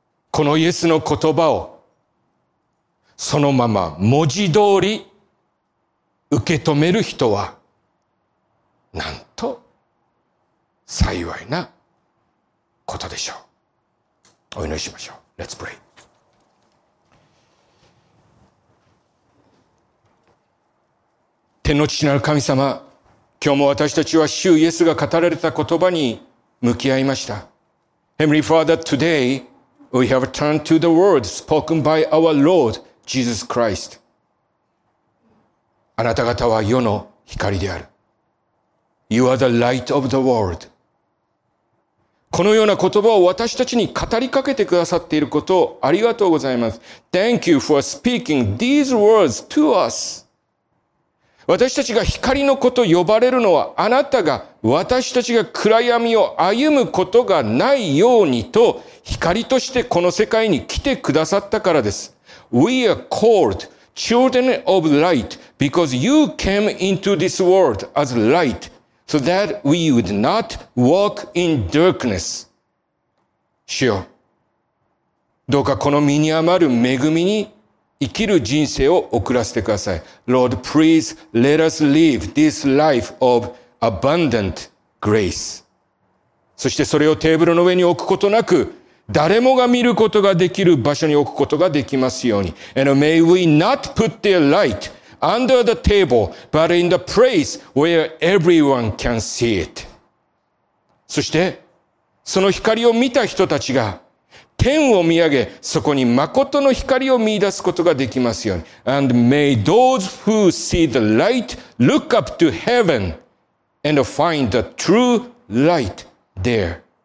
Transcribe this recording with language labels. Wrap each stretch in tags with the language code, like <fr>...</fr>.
<ja>このイエスの言葉を、そのまま文字通り、受け止める人はなんと幸いなことでしょう。お祈りしましょう。</ja> <en>Let's pray。</en> <ja>天の父なる神様、今日も私たちは主イエスが語られた言葉に向き合いました。</ja> <en>Heavenly Father, today we have turned to the word spoken by our Lord Jesus Christ。</en> <ja>あなた方は世の光である。</ja> <en>You are the light of the world。</en> <ja>このような言葉を私たちに語りかけてくださっていることをありがとうございます。</ja> <en>Thank you for speaking these words to us。</en> <ja>私たちが光の子と呼ばれるのは、あなたが私たちが暗闇を歩むことがないようにと光としてこの世界に来てくださったからです。</ja> <en>We are calledChildren of light, because you came into this world as light, so that we would not walk in darkness.</en> <ja>主よ、どうかこの身に余る恵みに生きる人生を送らせてください。</ja> <en>Lord, please let us live this life of abundant grace.</en> <ja>そしてそれをテーブルの上に置くことなく、誰もが見ることができる場所に置くことができますように。</ja> <en>And may we not put their light under the table, but in the place where everyone can see it.</en> <ja>そしてその光を見た人たちが天を見上げ、そこに誠の光を見出すことができますように。</ja> <en>And may those who see the light look up to heaven and find the true light there。</en>